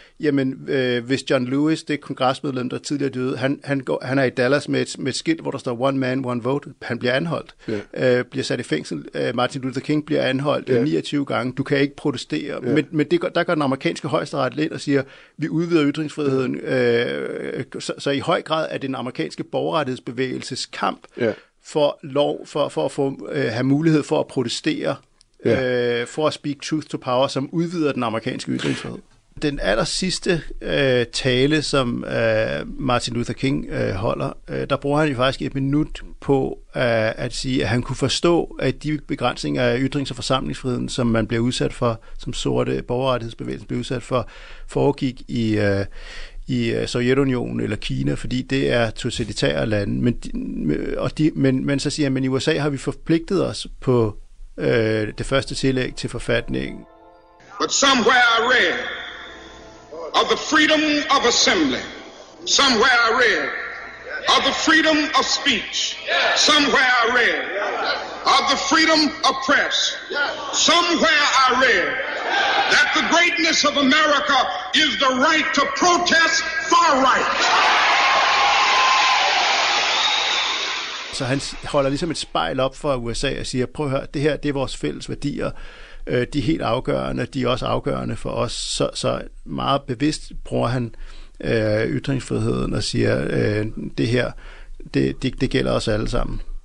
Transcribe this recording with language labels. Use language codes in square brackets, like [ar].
[da] Jamen, hvis John Lewis, det kongresmedlem, der tidligere døde, han er i Dallas med et skilt, hvor der står One Man, One Vote. Han bliver anholdt, yeah. Bliver sat i fængsel. Martin Luther King bliver anholdt, yeah. 29 gange. Du kan ikke protestere. Yeah. Men det, der går den amerikanske højesteret ind og siger, vi udvider ytringsfriheden. Yeah. Så i høj grad er det den amerikanske borgerrettighedsbevægelses kamp, yeah. for lov, for at få, have mulighed for at protestere, yeah. For at [en] speak truth to power, [da] som udvider den amerikanske ytringsfrihed. Den allersidste tale, som Martin Luther King holder, der bruger han jo faktisk et minut på at sige, at han kunne forstå, at de begrænsninger af ytrings- og forsamlingsfriheden, som man bliver udsat for, som sorte borgerrettighedsbevægelsen bliver udsat for, foregik i Sovjetunionen eller Kina, fordi det er totalitære lande. Men så siger han, at i USA har vi forpligtet os på det første tillæg til forfatningen. [en] But somewhere I read of the freedom of assembly. Somewhere I read of the freedom of speech. Somewhere I read of the freedom of press. Somewhere I read that the greatness of America is the right to protest far right. [da] Så han holder ligesom et spejl op for USA og siger, prøv at høre, det her, det er vores fælles værdier. De er helt afgørende, de er også afgørende for os. Så meget bevidst bruger han ytringsfriheden og siger, det her, det gælder os alle sammen.